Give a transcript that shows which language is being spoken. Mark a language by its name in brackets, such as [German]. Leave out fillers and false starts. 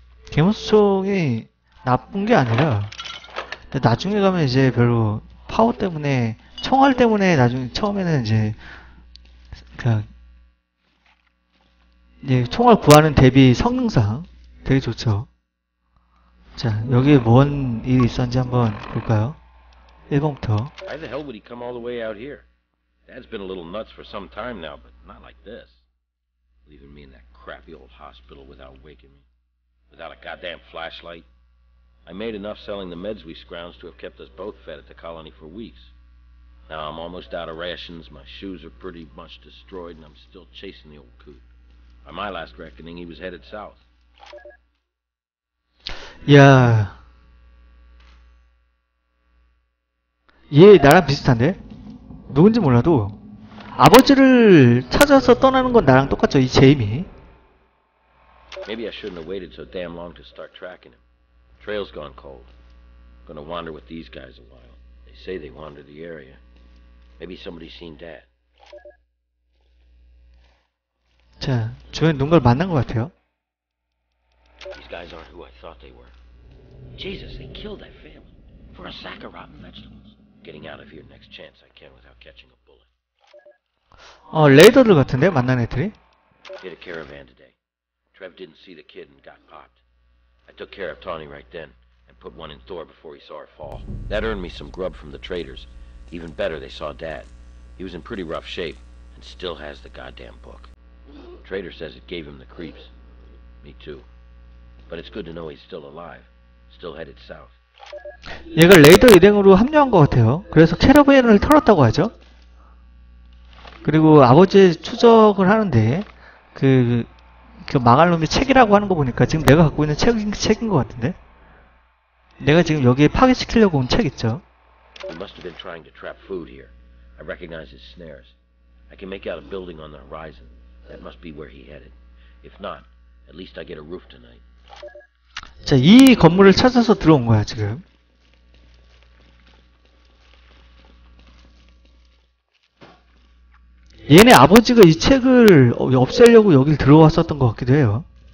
[Korean] 개무성이 나쁜 게 아니라, 근데 나중에 가면 이제 별로 파워 때문에, 청활 때문에 나중에 처음에는 이제 그냥 이제 총알 구하는 대비 성능상 되게 좋죠. 자, 여기에 뭔 일이 있었는지 한번 볼까요? 1번부터. [English] Why the hell would he come all the way out here? Dad's been a little nuts for some time now, but not like this. Leaving me in that crappy old hospital without waking me. Without a goddamn flashlight. I made enough selling the meds we scrounged to have kept us both fed at the colony for weeks. Now I'm almost out of rations, my shoes are pretty much destroyed, and I'm still chasing the old coot. By my last reckoning, he was headed south. [Korean] 야, 얘 나랑 비슷한데? 누군지 몰라도 아버지를 찾아서 떠나는 건 나랑 똑같죠, 이 제이미. [English] Maybe I shouldn't have waited so damn long to start tracking him. Trail's gone cold. Gonna wander with these guys a while. They say they wander the area. Maybe somebody seen Dad. [Korean] 자, 주변에 누군가를 만난 것 같아요. [English] These guys aren't who I thought they were. Jesus, they killed that family for a sack of rotten vegetables. Getting out of here next chance I can without catching a bullet. [Korean] 레이더들 같은데 만난 애들이? [English] Hit a caravan today. Trev didn't see the kid and got popped. I took care of Tawny right then and put one in Thor before he saw her fall. That earned me some grub from the traders. Even better, they saw Dad. He was in pretty rough shape and still has the goddamn book. Trader says it gave him the creeps. Me too. But it's good to know he's still alive. Still headed south. [Korean] 얘가 레이더 일행으로 합류한 것 같아요. 그래서 캐러밴을 털었다고 하죠. 그리고 아버지 추적을 하는데, 그 망할 놈의 책이라고 하는 거 보니까 지금 내가 갖고 있는 책인 것 같은데? 내가 지금 여기에 파괴시키려고 온책 있죠. [English] He must have been trying to trap food here. I recognize his snares. I can make out a building on the horizon. That must be where he headed. If not, at least I get a roof tonight. [Korean] 자, 이 건물을 찾아서 들어온 거야, 지금. 얘네 아버지가 이 책을 없애려고 여길 들어왔었던 것 같기도 해요.